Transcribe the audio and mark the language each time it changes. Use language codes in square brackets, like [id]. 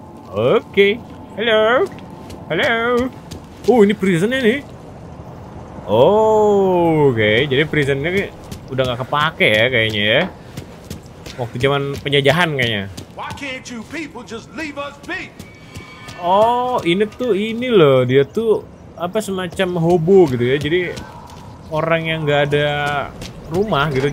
[id] Oke, okay. Hello, hello. Ini prisonnya nih. Oh, oke. Okay. Jadi prisonnya udah nggak kepake ya kayaknya ya. waktu zaman penjajahan kayaknya. [en] Why can't you people just leave us be? [id] Oh, ini tuh ini loh, dia tuh apa semacam hobo gitu ya. Jadi orang yang enggak ada rumah gitu.